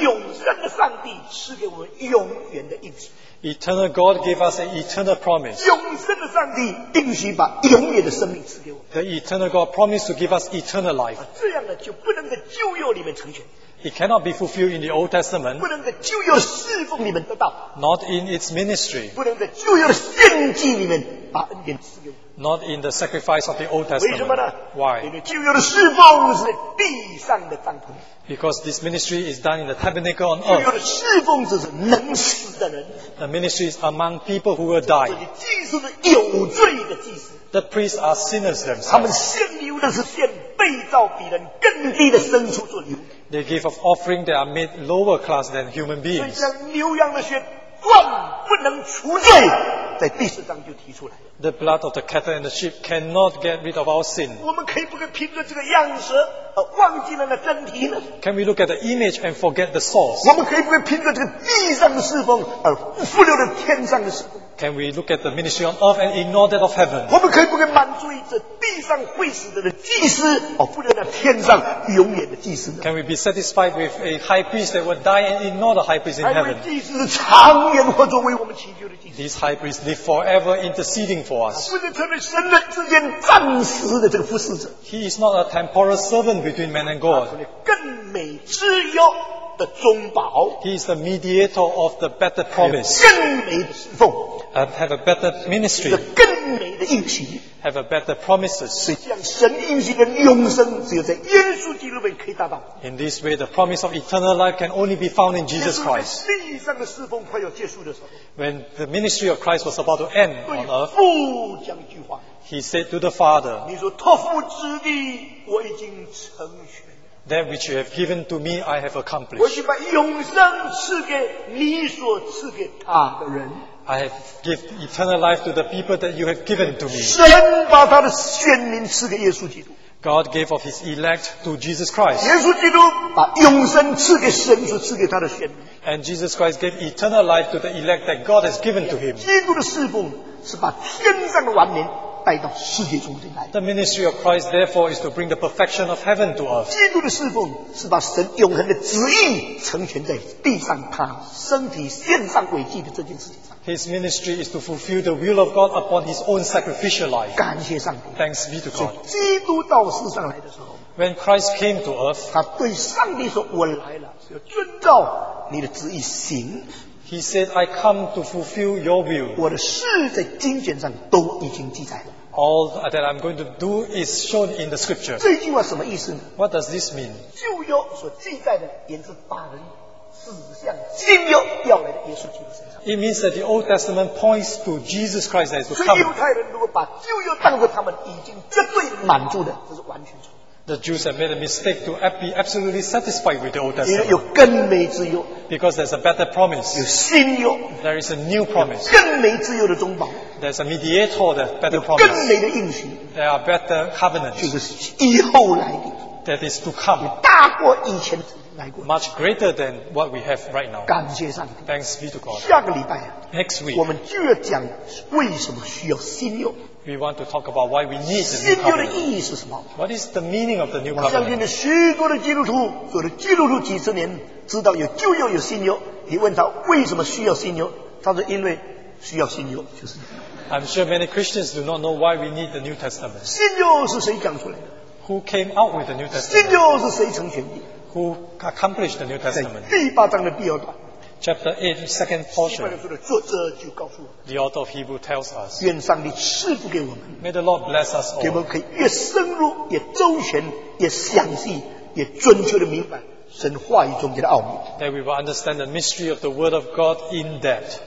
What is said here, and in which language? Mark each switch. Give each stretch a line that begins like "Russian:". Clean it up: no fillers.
Chinese: 永生的上帝赐给我们永远的应许。
English: Eternal God gave us an eternal promise.
Chinese: 永生的上帝应许把永远的生命赐给我们。
English: The eternal God promised to give us eternal life.
Chinese: 这样的就不能在旧约里面成全。
English: It cannot be fulfilled in the Old Testament.
Chinese: 不能在旧约侍奉里面得到。
English: Not in its ministry.
Chinese: 不能在旧约献祭里面把恩典赐给我们。
English: Not in the sacrifice of the Old Testament.
Chinese: 为什么呢？
English: Why?
Chinese: 因为旧约的侍奉是在地上的帐篷。
English: Because this ministry is done in the tabernacle on earth.
Chinese: 旧约的侍奉者是能死的人。
English: The ministry is among people who will die.
Chinese: 祭司是有罪的祭司。
English: The priests are sinners themselves.
Chinese: 他们献牛的是献被造比人更低的牲畜做牛。
English: They give of offering that are made lower class than human beings.
Chinese: 所以将牛羊的血断不能除罪，在第四章就提出来。
English: The blood of the cattle and the sheep cannot get rid of our sin.
Chinese: 我们可以不可以凭着这个样式而忘记了那真题呢？
English: Can we look at the image and forget the source?
Chinese: 我们可以不可以凭着这个地上的侍奉而忽略了天上的侍奉？
English: Can we look at the ministry on earth and ignore that of heaven?
Chinese: 我们可以不可以满足于这地上会死的祭司而忽略了天上永远的祭司呢？
English: Can we be satisfied with a high priest that will die and ignore the high priest in heaven?
Chinese: 祭司是长远活着为我们祈求的祭司。
English: This high priest live forever interceding for us.
Chinese: 不是成为神人之间暂时的这个服侍者。
English: He is not a temporal servant between man and God.
Chinese: 他是更美之约的中保。
English: He is the mediator of the better promise.
Chinese: 更美的侍奉。
English: Have a better ministry.
Chinese: 是更美的应许。
English: Have a better promises.
Chinese: 所以这样神应许的永生只有在耶稣基督里面可以达到。
English: In this way, the promise of eternal life can only be found in Jesus Christ.
Chinese: 地上的侍奉快要结束的时候。
English: When the ministry of Christ was about to end on earth.
Chinese: 父讲一句话。
English: He said to the Father.
Chinese: 你说托付之地我已经成全。
English: That which you have given to me, I have accomplished.
Chinese: 我已经把永生赐给你所赐给他的人。
English: I have given eternal life to the people that you have given to me.
Chinese: 神把他的选民赐给耶稣基督。
English: God gave of his elect to Jesus Christ.
Chinese: 耶稣基督把永生赐给神所赐给他的选民。
English: And Jesus Christ gave eternal life to the elect that God has given to him.
Chinese: 基督的侍奉是把天上的完美带到世界中间来。
English: The ministry of Christ therefore is to bring the perfection of heaven to earth.
Chinese: 基督的侍奉是把神永恒的旨意成全在地上他身体献上为祭的这件事情上。
English: His ministry is to fulfill the will of God upon his own sacrificial life.
Chinese: 感谢上帝。
English: Thanks be to God.
Chinese: 基督到世上来的时候。
English: When Christ came to earth.
Chinese: 他对上帝说我来了是要遵照你的旨意行。
English: He said, I come to fulfill your will.
Chinese: 我的事在经卷上都已经记载了。
English: All that I'm going to do is shown in the scripture.
Chinese: 这句话什么意思呢？
English: What does this mean?
Chinese: 旧约所记载的也是把人指向新约要来的耶稣基督身上。
English: It means that the Old Testament points to Jesus Christ that is to come.
Chinese: 所以犹太人如果把旧约当作他们已经绝对满足的，这是完全错。
English: The Jews have made a mistake to be absolutely satisfied with the Old Testament.
Chinese: 因为有更美之约。
English: Because there's a better promise.
Chinese: 有新约。
English: There is a new promise.
Chinese: 有更美之约的中保。
English: There's a mediator, the better promise.
Chinese: 有更美的应许。
English: There are better covenants.
Chinese: 就是以后来的。
English: That is to come.
Chinese: 有大过以前来过。
English: Much greater than what we have right now.
Chinese: 感谢上帝。
English: Thanks be to God.
Chinese: 下个礼拜啊。
English: Next week.
Chinese: 我们就要讲为什么需要新约。
English: We want to talk about why we need the new covenant.
Chinese: 新约的意义是什么？
English: What is the meaning of the new covenant?
Chinese: 我相信了许多的基督徒，做了基督徒几十年，知道有旧约有新约。你问他为什么需要新约，他说因为需要新约，就是。
English: I'm sure many Christians do not know why we need the New Testament.
Chinese: 新约是谁讲出来的？
English: Who came out with the New Testament?
Chinese: 新约是谁成全的？
English: Who accomplished the New Testament?
Chinese: 第八章的第二段。
English: Chapter 8, second portion.
Chinese: 作者就告诉我们。
English: The author of Hebrew tells us.
Chinese: 愿上帝赐福给我们。
English: May the Lord bless us all.
Chinese: 给我们可以越深入、越周全、越详细、越准确的明白神话语中间的奥秘。
English: That we will understand the mystery of the Word of God in depth.